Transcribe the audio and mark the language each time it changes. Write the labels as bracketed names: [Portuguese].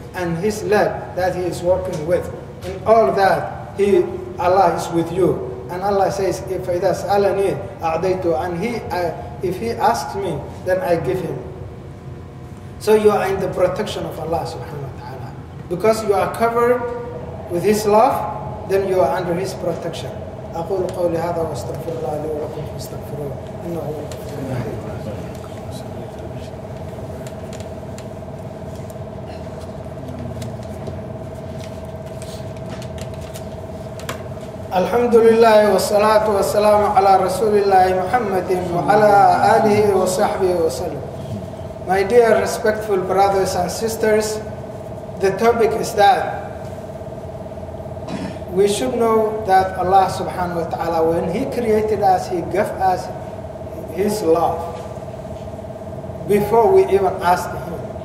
[English] And his leg that he is working with. In all that, Allah is with you. And Allah says, if he does [Arabic] alani a'daytu, [English] and if he asks me, then I give him. So you are in the protection of Allah subhanahu wa ta'ala. Because you are covered with his love, then you are under his protection. [Arabic] أقول قولي هذا واستغفر الله لي ولكم فاستغفروه إنه هو الحمد لله والصلاة والسلام على رسول الله محمد وعلى آله وصحبه وسلم. [English] My dear respectful brothers and sisters, the topic is that we should know that Allah subhanahu wa ta'ala, when he created us, he gave us his love before we even asked him.